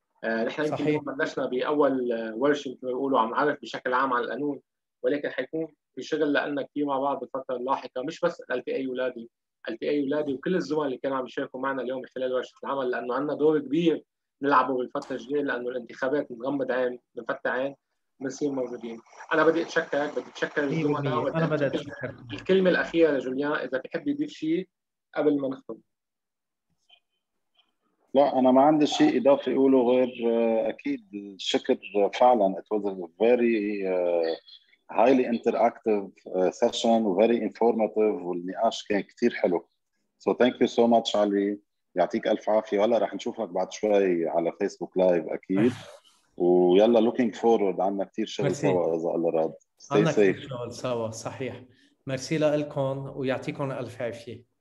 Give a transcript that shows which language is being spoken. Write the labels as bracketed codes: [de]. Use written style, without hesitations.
[ar] نحن يمكن ما بلشنا بأول ورشين كما يقولوا عم نعرف بشكل عام على القانون، ولكن حيكون في شغل لأننا كتير مع بعض بالفترة اللاحقة، مش بس LTA ولادي، LTA ولادي وكل الزملاء اللي كانوا عم يشاركوا معنا اليوم خلال ورشة العمل، لأنه عنا دور كبير نلعبه بالفترة الجاية، لأنه الانتخابات نغمض عين نفتح عين، مسير موجودين. انا بدي اتشكرك، بدي اتشكر الزملاء، انا بدي اتشكر. الكلمه الاخيره لجوليان اذا بحب يضيف شيء قبل ما نختم. لا انا ما عندي شيء اضافي اقوله غير اكيد الشكر فعلا. [en] It was a very highly interactive session وvery informative [ar] والنقاش كان كثير حلو. [en] So thank you so much علي، [ar] يعطيك الف عافيه. هلا راح نشوفك بعد شوي على فيسبوك لايف اكيد. ويلا [en] looking forward، [ar] عندنا كثير شغل سوا اذا الله راد. [en] Stay safe. [ar] كثير شغل سوا صحيح. مرسي لكم ويعطيكم الف عافيه.